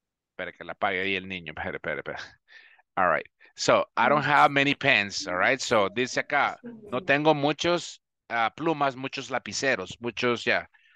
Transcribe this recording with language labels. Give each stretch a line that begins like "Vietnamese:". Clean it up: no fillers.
Spanish: Espera que la pague ahí el niño, espera.
English: All right, so I don't have many pens, all right?
Spanish: So dice acá, no tengo muchos plumas, muchos lapiceros, muchos, yeah.